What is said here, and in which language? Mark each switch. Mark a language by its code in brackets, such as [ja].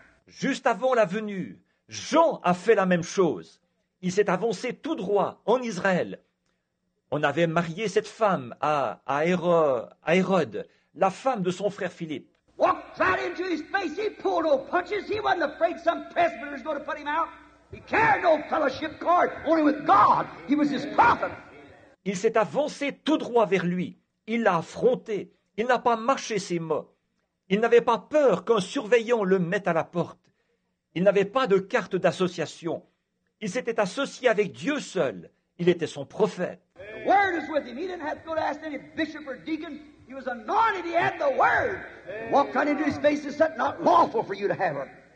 [fr] Juste avant la venue, Jean a fait la même chose. Il s'est avancé tout droit en Israël. On avait marié cette femme à Hérode, la femme de son frère Philippe. [en] Walked right into his face. He pulled no punches. He wasn't afraid some presbyter was going to put him out. He carried no fellowship card, only with God. He was his prophet. [fr] Il s'est avancé tout droit vers lui. Il l'a affronté. Il n'a pas mâché ses mots. Il n'avait pas peur qu'un surveillant le mette à la porte. Il n'avait pas de carte d'association. Il s'était associé avec Dieu seul. Il était son prophète. [en] The word is with him. He didn't have to go to ask any bishop or deacon. He was anointed. He had the word. Walk right into his face and said, not lawful for you to have her.